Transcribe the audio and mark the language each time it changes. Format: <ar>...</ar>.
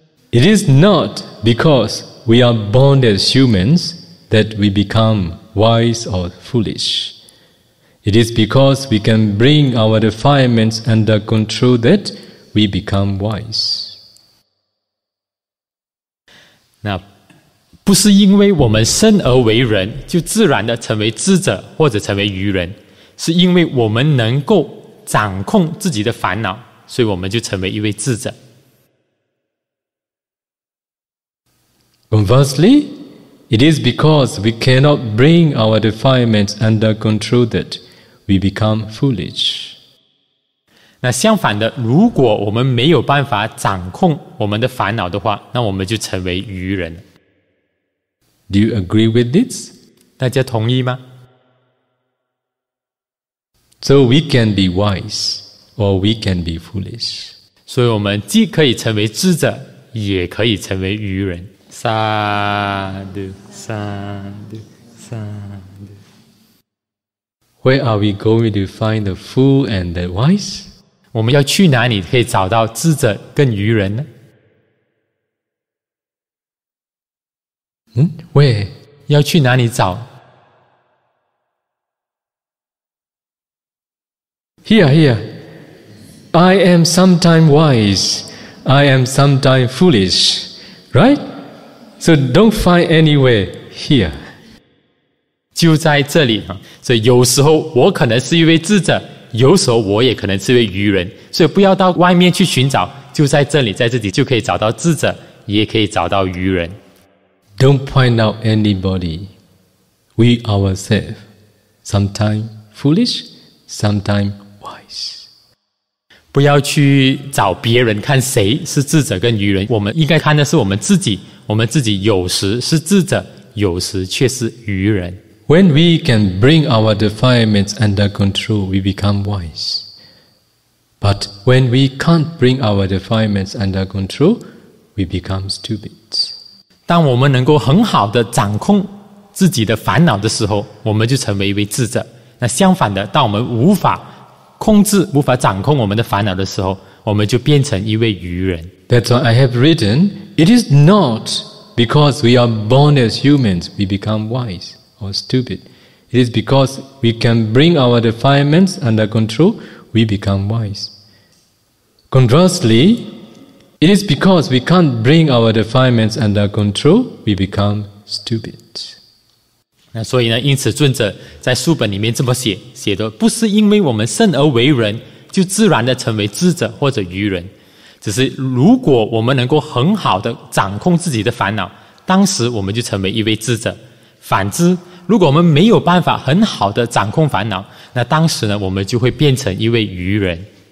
<en>It is not because we are born as humans that we become wise or foolish. It is because we can bring our defilements under control that we become wise.</en> <zh>那不是因为我们生而为人就自然的成为智者或者成为愚人，是因为我们能够掌控自己的烦恼，所以我们就成为一位智者。</zh> <en>Conversely, it is because we cannot bring our defilements under control that we become foolish.</en> <zh>那相反的，如果我们没有办法掌控我们的烦恼的话，那我们就成为愚人。</zh> <en>Do you agree with this?</en> <zh>大家同意吗?</zh> <en>So we can be wise, or we can be foolish.</en> <zh>所以我们既可以成为智者，也可以成为愚人。萨度，萨度，萨度。</zh> <en>Where are we going to find the fool and the wise?</en> <zh>我们要去哪里可以找到智者跟愚人呢？</zh> <en>Where?</en> <zh>要去哪里找?</zh> <en>Here, here. I am sometimes wise, I am sometimes foolish, right? So don't find anywhere here.</en> <zh>就在这里，所以有时候我可能是一位智者，有时候我也可能是一位愚人，所以不要到外面去寻找，就在这里，在这里就可以找到智者，也可以找到愚人。</zh> <en>Don't point out anybody. We ourselves, sometimes foolish, sometimes wise.</en> <zh>不要去找别人看谁是智者跟愚人，我们应该看的是我们自己，我们自己有时是智者，有时却是愚人。</zh> <en>When we can bring our defilements under control, we become wise. But when we can't bring our defilements under control, we become stupid.</en> <zh>当我们能够很好的掌控自己的烦恼的时候，我们就成为一位智者。那相反的，当我们无法控制、无法掌控我们的烦恼的时候，我们就变成一位愚人。</zh> <en>That's why I have written, it is not because we are born as humans, we become wise. Or stupid. It is because we can bring our defilements under control, we become wise. Conversely, it is because we can't bring our defilements under control, we become stupid.</en> <zh>那所以呢？因此，尊者在书本里面这么写，写的不是因为我们生而为人就自然的成为智者或者愚人，只是如果我们能够很好的掌控自己的烦恼，当时我们就成为一位智者。反之，如果我们没有办法很好的掌控烦恼，那当时呢，我们就会变成一位愚人。</zh>